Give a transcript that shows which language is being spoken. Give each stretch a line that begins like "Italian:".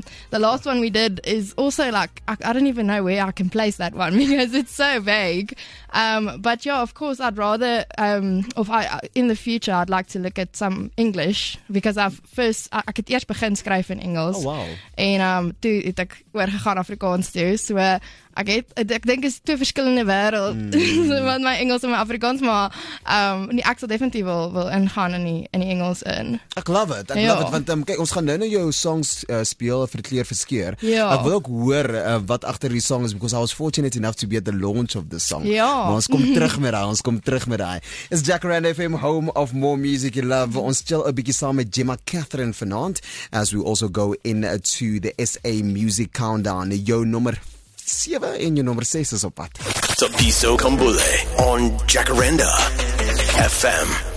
English: The last one we did is also like, I don't even know where I can place that one because it's so vague. But of course, I'd rather, in the future, I'd like to look at some English, because I could
Afrikaans: eerst begin skryf in Engels.
English: Oh, wow.
Afrikaans: En toe het ek oorgegaan Afrikaans toe, so ek dink is twee verskillende wêrelde. Mm. Want my Engels en my Afrikaans, maar ek sal definitief wil ingaan in die Engels in. Ek love it. Ek love it want kyk, ons gaan nou jou songs speel vir Kleur Verskeer.
English: Yeah.
Afrikaans: Ek wil ook hoor wat agter die song is,
English: because I was fortunate enough to be at the launch of the song. Yeah.
Afrikaans: Maar ons kom terug met daai, ons kom terug met daai.
English: It's Jacaranda FM, home of more music you love.
Afrikaans: Ons chill 'n bietjie saam met Gemma Catherine vanaand,
English: as we also go in to the SA Music Countdown.
Afrikaans: Jou nommer 7 en jou nommer 6 is op pad.
English: Sopiso Kambule on Jacaranda FM.